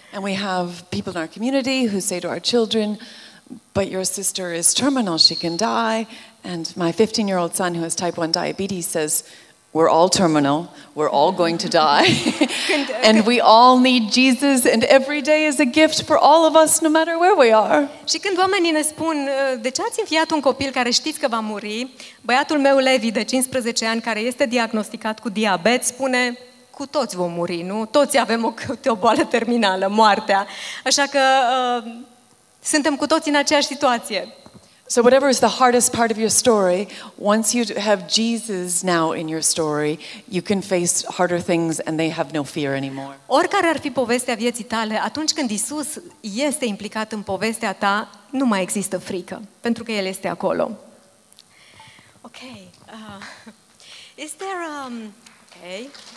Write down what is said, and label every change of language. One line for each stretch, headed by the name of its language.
English: And we have people in our community who say to our children, but your sister is terminal, she can die, and my 15-year-old son who has type 1 diabetes says, we're all terminal, we're all going to die. And we all need Jesus and every day is a gift for all of us no matter where we are.
Romanian: Și când oamenii ne spun de ce ați înfiat un copil care știți că va muri, băiatul meu Levi de 15 ani care este diagnosticat cu diabet spune cu toți vom muri, nu? Toți avem o boală terminală, moartea. Așa că suntem cu toți în aceeași situație.
English: So whatever is the hardest part of your story, once you have Jesus now in your story, you can face harder things and they have no fear anymore.
Romanian: Oricare ar fi povestea vieții tale, atunci când Isus este implicat în povestea ta, nu mai există frică, pentru că El este acolo. Okay.
English: Is there okay.